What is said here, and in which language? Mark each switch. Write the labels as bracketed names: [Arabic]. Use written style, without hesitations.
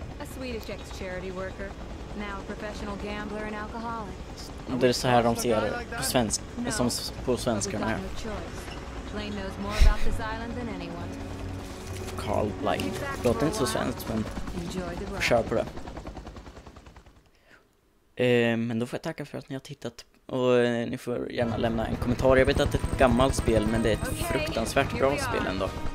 [English] A Swedish ex-charity worker, now a professional gambler and alcoholic. [Swedish] Det är så här de ser det på svensk, no. Som på svenskarna här. [English] Blaine knows more about this island than anyone. Carl Blaine. [Swedish] Låter inte så svenskt, men kör på det. Men då får jag tacka för att ni har tittat. Och ni får gärna lämna en kommentar. Jag vet att det är ett gammalt spel, men det är ett fruktansvärt bra spel ändå.